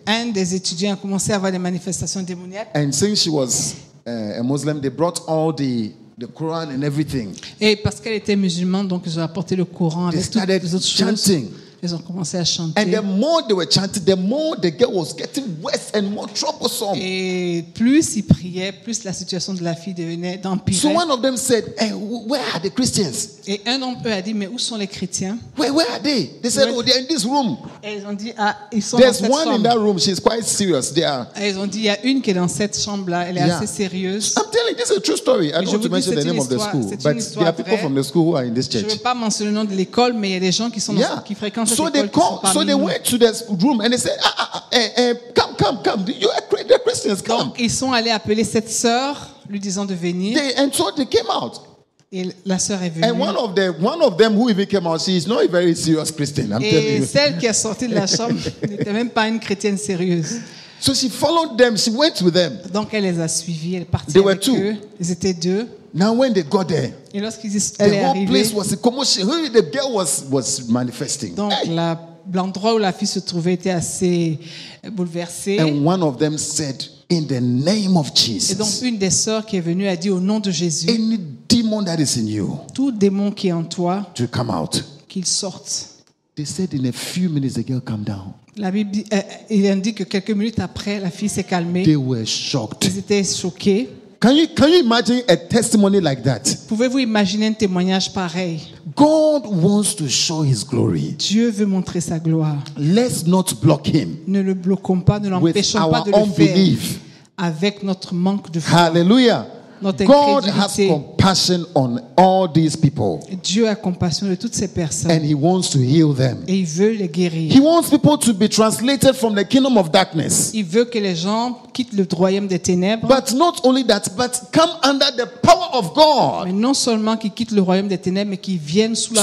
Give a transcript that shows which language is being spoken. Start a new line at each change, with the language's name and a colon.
French: Un des étudiants a commencé à avoir des manifestations démoniaques.
English: And since she was a Muslim, they brought all the Quran and everything.
French: Et parce qu'elle était musulmane, donc ils ont apporté le Coran
English: they
French: avec toutes les autres choses.
English: Chanting.
French: Ils ont commencé à chanter.
English: And the more they were chanting, the more the girl was getting worse and more troublesome.
French: Et plus ils priaient, plus la situation de la fille devenait d'empirer.
English: So one of them said, "Hey, where are the Christians?"
French: Et un homme eux a dit, "Mais où sont les chrétiens?"
English: Where are they? They said, "Oh, they're in this room."
French: Et ils ont dit, "Ah, ils sont
English: There's
French: dans cette
English: one
French: chambre."
English: In that room. She's quite serious. They are.
French: Et ils ont dit, "Il y a une qui est dans cette chambre là. Elle est assez sérieuse."
English: I'm telling you, this is a true story. I don't want to mention the name of the school, but there are people from the school who are in this church.
French: Je ne veux pas mentionner le nom de l'école, mais il y a des gens qui sont dans qui fréquentent.
English: So they went to this room and they said, come. You are the Christians, come.
French: Donc, ils sont allés appeler cette sœur, lui disant de venir.
English: And so they came out.
French: Et la sœur est venue.
English: And one of them who even came out, she is not a very serious Christian, I'm
French: Et
English: telling you.
French: Et celle qui est sortie de la chambre n'était même pas une chrétienne sérieuse.
English: So she followed them, she went with them.
French: Donc elle les a suivis, elle partit
English: they
French: avec
English: were two.
French: Eux. Ils étaient deux.
English: Now when they got there,
French: et lorsqu'ils sont
English: the whole
French: arrivée,
English: place was a commotion. The girl was manifesting.
French: Donc hey. L'endroit où la fille se trouvait était assez bouleversé.
English: And one of them said, "In the name of Jesus."
French: Et donc une des sœurs qui est venue a dit au nom de Jésus.
English: Any demon that is in you,
French: tout démon qui est en toi,
English: to come out,
French: qu'il sorte.
English: They said in a few minutes the girl calmed down.
French: La Bible il indique que quelques minutes après la fille s'est calmée.
English: They were shocked.
French: Ils étaient choqués.
English: Can you imagine a testimony like that?
French: Pouvez-vous imaginer un témoignage pareil?
English: God wants to show his glory.
French: Dieu veut montrer sa gloire.
English: Let's not block him.
French: Ne le bloquons pas, ne l'empêchons pas de le faire.
English: With our unbelief.
French: Avec notre manque de foi. Hallelujah. Notre
English: God has compassion on all these people.
French: Dieu a compassion de toutes ces personnes.
English: And he wants to heal them.
French: Et il veut les guérir.
English: He wants people to be translated from the kingdom of darkness.
French: Il veut que les gens quittent le royaume des ténèbres.
English: But not only that, but come under the power of God.
French: Mais non seulement qu'ils quittent le royaume des ténèbres, mais qu'ils viennent sous la